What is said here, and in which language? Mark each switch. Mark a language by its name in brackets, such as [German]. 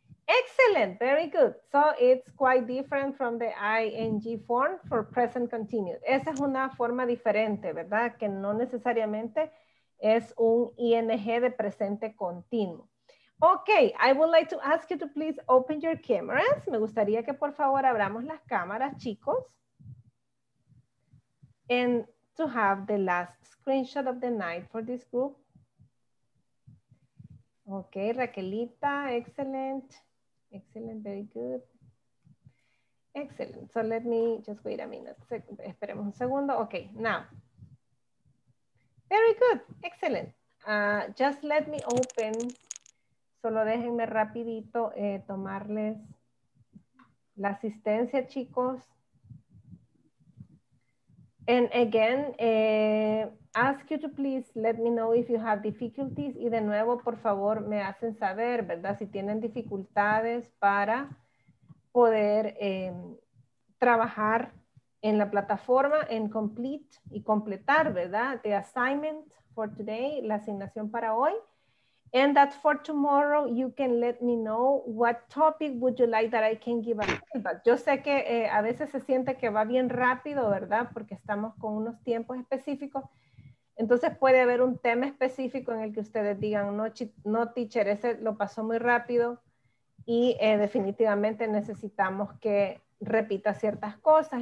[English] Excellent, very good. So it's quite different from the ing form for present continuous. [Spanish] Esa es una forma diferente, ¿verdad? Que no necesariamente es un ing de presente continuo. [English] Okay, I would like to ask you to please open your cameras. [Spanish] Me gustaría que por favor abramos las cámaras, chicos. [English] And to have the last screenshot of the night for this group. Okay, Raquelita, excellent. Excellent, very good. Excellent. So let me just wait a minute. [Spanish] Esperemos un segundo. [English] Okay, now. Very good, excellent. Just let me open. [Spanish] Solo déjenme rapidito tomarles la asistencia, chicos. [English] And again, ask you to please let me know if you have difficulties. [Spanish] Y de nuevo, por favor, me hacen saber, ¿verdad? Si tienen dificultades para poder trabajar en la plataforma, en complete y completar, ¿verdad? [English] The assignment for today, [Spanish] la asignación para hoy. [English] And that for tomorrow, you can let me know what topic would you like that I can give a feedback. [Spanish] Yo sé que a veces se siente que va bien rápido, ¿verdad? Porque estamos con unos tiempos específicos. Entonces puede haber un tema específico en el que ustedes digan, no, teacher, ese lo pasó muy rápido. Y definitivamente necesitamos que repita ciertas cosas.